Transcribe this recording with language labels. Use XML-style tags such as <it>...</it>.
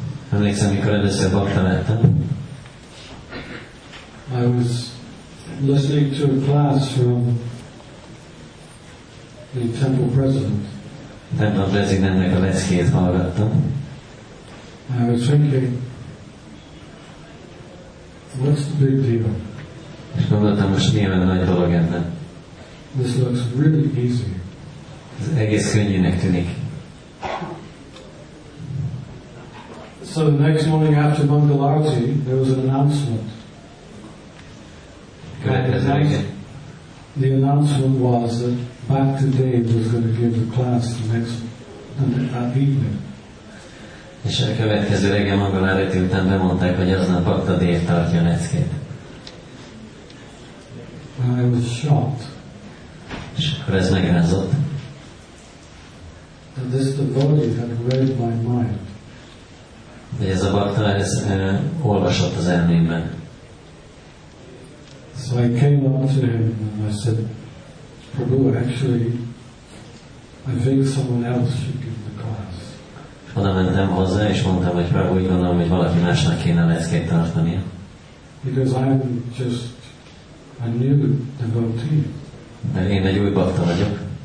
<hu>Emlékszem, mikor először baktam ettem.</hu> <en>I was listening to a class from the temple president.</en> <hu>Temple presidentnek a leckét hallgattam.</hu> <en>I was thinking, what's the big deal?</en> <hu>És gondoltam, most mi a nagy dolog ennek?</hu> <en>This looks really easy.</en> <hu>Ez egész könnyűnek tűnik.</hu> <en>So the next morning after Mangalarti, there was an announcement. The announcement was that Bhakti Dev was going to give the class the next that evening.</en> <hu>És a következő reggel Mangalarti után bemondták, hogy aznap Bhakti Dev tartja a leckét.</hu> <en>I was shocked.</en> <hu>És akkor ez megrázott.</hu> <en>That this devotee had read my mind.</en> <hu>De ez a bakta, ez olvasott az elmémben.</hu> <en>So I came up to him and I said, Prabhu, actually, I think someone else should give the class.</en> <hu>Oda mentem hozzá, és mondtam, hogy Prabhu, úgy gondolom, hogy valaki másnak kéne leckét tartania.</hu> <en>Because I'm just a new devotee.</en> <hu>De én egy új bakta vagyok.</hu>